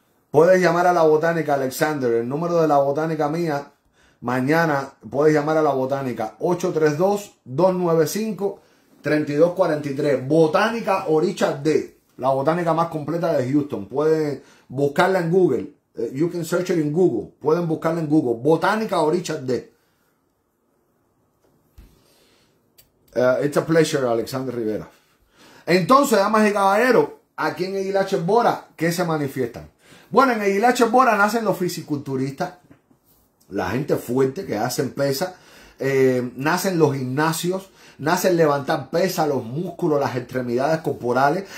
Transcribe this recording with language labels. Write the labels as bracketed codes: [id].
[es] Puedes llamar a la botánica, Alexander. El número de la botánica mía, mañana puedes llamar a la botánica. 832-295-3243. Botánica Orisha D. La botánica más completa de Houston. Pueden buscarla en Google. [en] You can search it in Google. [es] Pueden buscarla en Google. Botánica Orisha D. [en] It's a pleasure, Alexander Rivera. [es] Entonces, damas y caballeros, aquí en el H. Bora, ¿qué se manifiestan? Bueno, en el H. Bora nacen los fisiculturistas, la gente fuerte que hacen pesa, nacen los gimnasios, nacen levantar pesa, los músculos, las extremidades corporales.